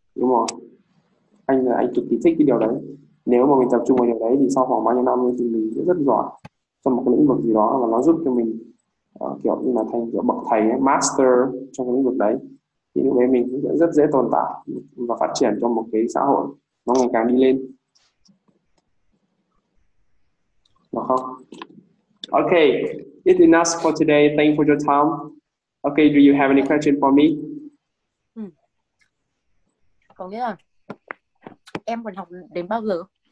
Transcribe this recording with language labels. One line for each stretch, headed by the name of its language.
Vietnamese: Đúng rồi, anh cực kỳ thích cái điều đấy. Nếu mà mình tập trung vào điều đấy thì sau khoảng bao nhiêu năm thì mình sẽ rất giỏi trong một cái lĩnh vực gì đó, và nó giúp cho mình kiểu như là thành kiểu bậc thầy, master trong cái lĩnh vực đấy, thì lúc đấy mình cũng rất dễ tồn tại và phát triển trong một cái xã hội nó ngày càng đi lên, đúng không?
English: Okay, it's enough for today. Thank you for your time. Okay, do you have any question for me?
Vietnamese: Có nghĩa là em còn học đến bao giờ?